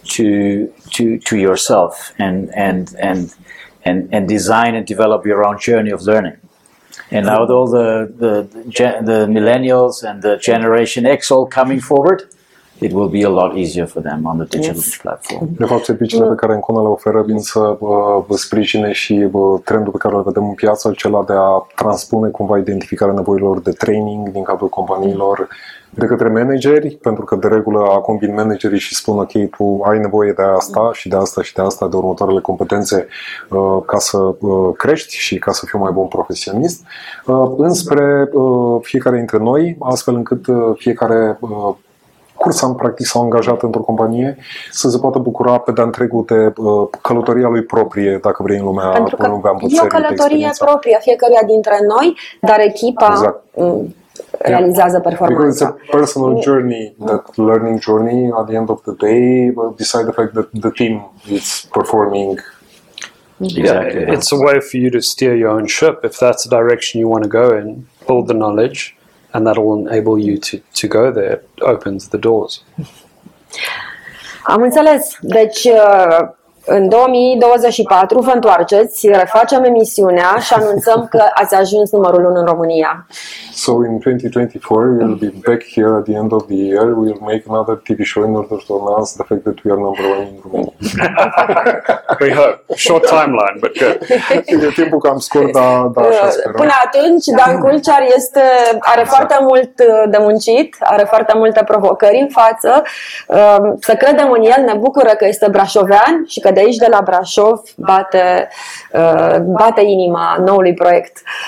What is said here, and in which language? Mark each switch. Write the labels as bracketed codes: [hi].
[en] to yourself and design and develop your own journey of learning. And now with all the millennials and the Generation X all coming forward, it will be a lot easier for them on the digital platform. [ro] De fapt, serviciile pe care Encona le oferă vin să sprijine și trendul pe care îl vedem în piață, acela de a transpune cumva identificarea nevoilor de training din cadrul companiilor de către manageri, pentru că de regulă acum vin managerii și spun ok, tu ai nevoie de asta și de asta și de asta, de următoarele competențe ca să crești și ca să fii mai bun profesionist, înspre fiecare dintre noi, astfel încât fiecare cursant, practic, s-a angajat într-o companie să se poată bucura pe de-a întregul de călătoria lui proprie, dacă vrei, în lumea învățării. Pentru că lumea învățării, e o călătorie proprie a fiecăruia dintre noi, dar echipa realizează performanța. [en] Because it's a personal journey, that learning journey, at the end of the day, beside the fact that the team is performing. Exactly. Yeah, it's a way for you to steer your own ship, if that's the direction you want to go in, build the knowledge. And that will enable you to go there, opens the doors. [ro] Am înțeles. Deci, în 2024 vă întoarceți, refacem emisiunea și anunțăm că ați ajuns numărul 1 în România. [en] So in 2024, we'll be back here at the end of the year. We'll make another TV show in order to announce the fact that we are number 1 in Romania. We hope. Short timeline, but good. [ro] E timpul cam scurt, dar așa sperăm. Până atunci, Dan Culciar are foarte mult de muncit, are foarte multe provocări în față. Să credem în el, ne bucură că este brașovean și că de aici, de la Brașov, bate inima noului proiect.